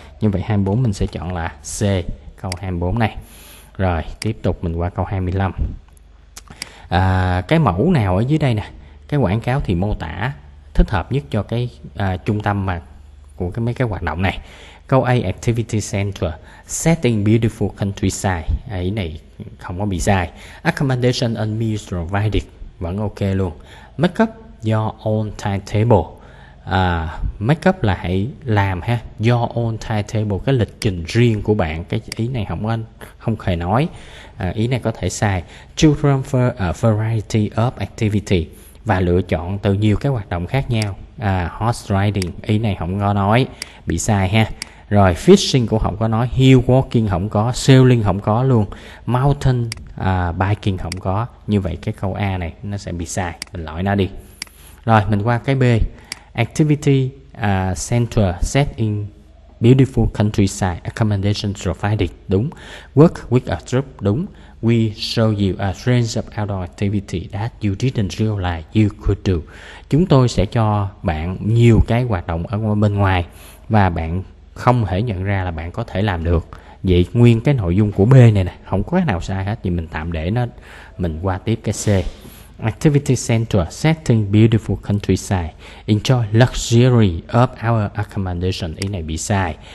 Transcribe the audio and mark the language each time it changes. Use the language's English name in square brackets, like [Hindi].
[Vietnamese] Như vậy 24 mình sẽ chọn là C, câu 24 này. Rồi tiếp tục mình qua câu 25. Cái mẫu nào ở dưới đây nè, cái quảng cáo thì mô tả thích hợp nhất cho cái trung tâm mà của cái mấy cái hoạt động này. Câu A, [English] activity center, setting beautiful countryside, [Vietnamese] ấy này không có bị sai. [English] Accommodation and meals provided, [Vietnamese] vẫn ok luôn. [English] Make up your own timetable, Make up [Vietnamese] là hãy làm ha, [English] your own timetable, [Vietnamese] cái lịch trình riêng của bạn. Cái ý này không anh không hề nói, ý này có thể xài. [English] Children for a variety of activity, [Vietnamese] và lựa chọn từ nhiều cái hoạt động khác nhau. Horse riding, ý này không có nói, bị sai ha. Rồi fishing cũng không có nói, hill walking không có, sailing không có luôn, mountain biking không có. Như vậy cái câu A này nó sẽ bị sai, mình lỗi nó đi. Rồi mình qua cái B. [English] Activity center set in beautiful countryside, accommodation provided, [Vietnamese] đúng. [English] Work with a group, [Vietnamese] đúng. [English] We show you a range of outdoor activity that you didn't realize you could do. [Vietnamese] Chúng tôi sẽ cho bạn nhiều cái hoạt động ở bên ngoài và bạn không thể nhận ra là bạn có thể làm được. Vậy nguyên cái nội dung của B này nè, không có cái nào sai hết, thì mình tạm để nó, mình qua tiếp cái C. [English] Activity center setting beautiful countryside, enjoy luxury of our accommodation, [Vietnamese] ý này bị sai.